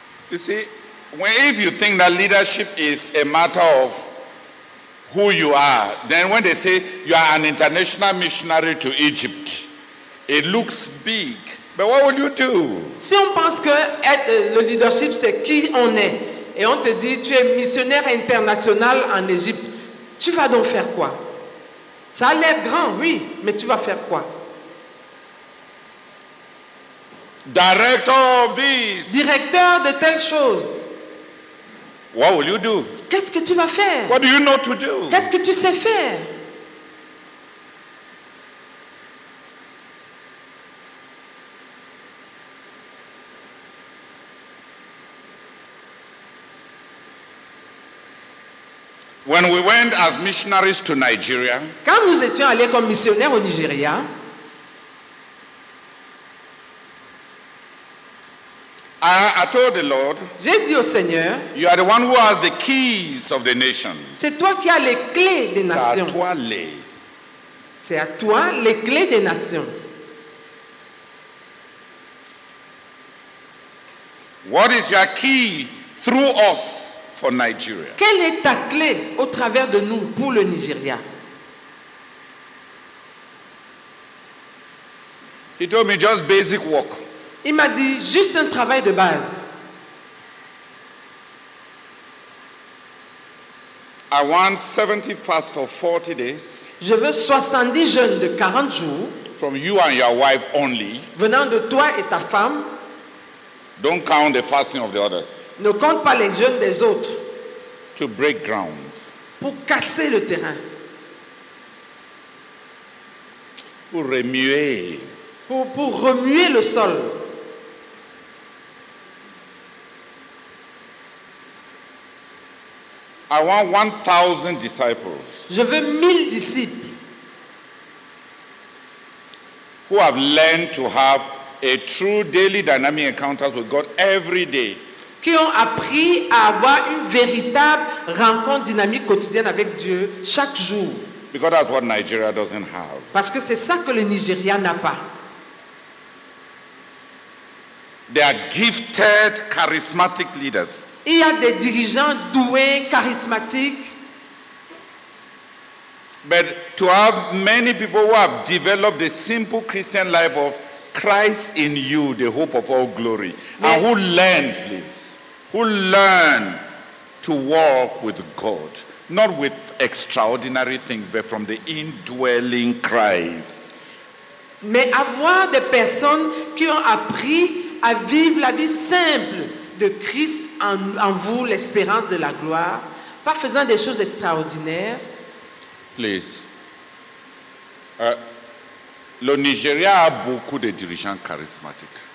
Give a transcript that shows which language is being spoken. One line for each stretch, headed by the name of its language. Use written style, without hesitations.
English: You see, when if you think that leadership is a matter of who you are, then when they say you are an international missionary to Egypt, it looks big. But what would you do?
French: Si on pense que le leadership c'est qui on est, et on te dit tu es missionnaire international en Égypte, tu vas donc faire quoi? Ça a l'air grand, oui, mais tu vas faire quoi?
English: Director of this.
French: Directeur de telle chose.
English: What will you do?
French: Qu'est-ce que tu vas faire?
English: What do you know to do?
French: Qu'est-ce que tu sais faire?
English: When we went as missionaries to Nigeria,
French: quand nous étions allés comme missionnaires au Nigeria,
English: I told the Lord,
French: j'ai dit au Seigneur,
English: you are the one who has the keys of the nations.
French: C'est toi qui as les clés des nations. C'est à toi les clés des nations.
English: What is your key through us for Nigeria?
French: Quelle est ta clé au travers de nous pour le Nigeria?
English: He told me just basic work.
French: Il m'a dit juste un travail de base.
English: I want 70 fasts of 40 days.
French: Je veux 70 jeûnes de 40 jours.
English: From you and your wife only.
French: Venant de toi et ta femme.
English: Don't count the fasting of the others.
French: Ne compte pas les jeûnes des autres.
English: To break grounds.
French: Pour casser le terrain. Pour remuer. Pour remuer le sol.
English: I want 1,000 disciples.
French: Je veux 1,000 disciples.
English: Who have learned to have a true daily dynamic encounter with God every day.
French: Qui ont appris à avoir une véritable rencontre dynamique quotidienne avec Dieu chaque jour.
English: Because that's what Nigeria doesn't have.
French: Parce que c'est ça que le Nigeria n'a pas.
English: They are gifted, charismatic leaders.
French: Il y a des dirigeants doués, charismatiques.
English: But to have many people who have developed the simple Christian life of Christ in you, the hope of all glory.
French: Mais,
English: and who learn, please? Who learn to walk with God? Not with extraordinary things, but from the indwelling Christ.
French: Mais avoir des personnes qui ont appris à vivre la vie simple de Christ en vous, l'espérance de la gloire, pas faisant des choses extraordinaires.
English: Please.
French: Le Nigeria a beaucoup de dirigeants charismatiques.